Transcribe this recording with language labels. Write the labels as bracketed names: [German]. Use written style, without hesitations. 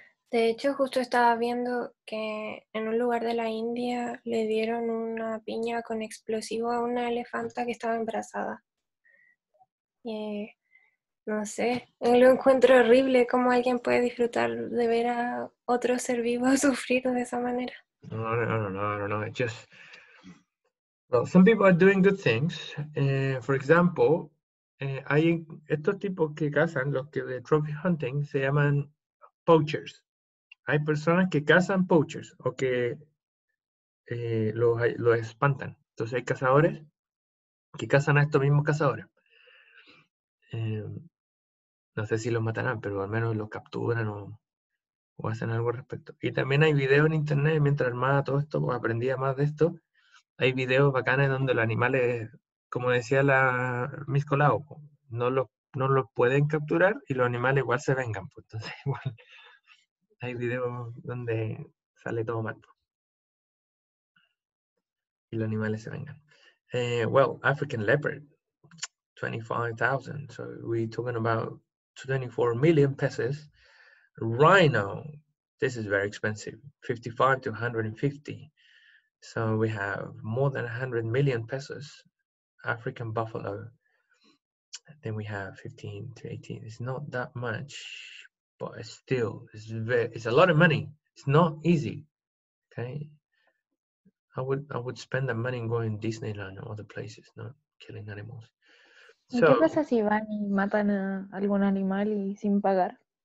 [Spanish] De hecho, justo estaba viendo que en un lugar de la India le dieron una piña con explosivo a una elefanta que estaba embarazada. Y... no sé, lo encuentro horrible. ¿Cómo alguien puede disfrutar de ver a otro ser vivo sufrir de esa manera? No. [English] It's just, well, some people are doing good things. [Spanish] For example, hay estos tipos que cazan, los que de trophy hunting, se llaman poachers. Hay personas que cazan poachers o que los espantan. Entonces hay cazadores que cazan a estos mismos cazadores. No sé si los matarán, pero al menos los capturan o hacen algo al respecto. Y también hay videos en internet, mientras armaba todo esto, pues aprendía más de esto. Hay videos bacanes donde los animales, como decía la Miss Colau, pues, no los pueden capturar y los animales igual se vengan. Pues, entonces igual hay videos donde sale todo mal. Pues, y los animales se vengan. [English] Well, African leopard, 25,000. So we're talking about 24 million pesos. Rhino, this is very expensive, 55 to 150. So we have more than 100 million pesos. African buffalo, then we have 15 to 18. It's not that much, but it's still, it's a lot of money. It's not easy, okay? I would spend the money going to Disneyland or other places, not killing animals. [Spanish] So, ¿qué pasa si van y matan a algún animal y sin pagar?